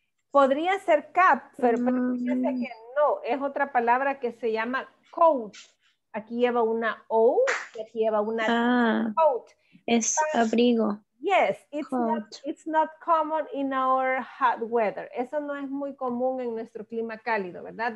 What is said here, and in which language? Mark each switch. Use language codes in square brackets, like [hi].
[es] Podría ser cap, pero fíjense que no, es otra palabra que se llama coat. Aquí lleva una O, aquí lleva una coat. Es abrigo. [en] Yes, it's not common in our hot weather. [es] Eso no es muy común en nuestro clima cálido, ¿verdad?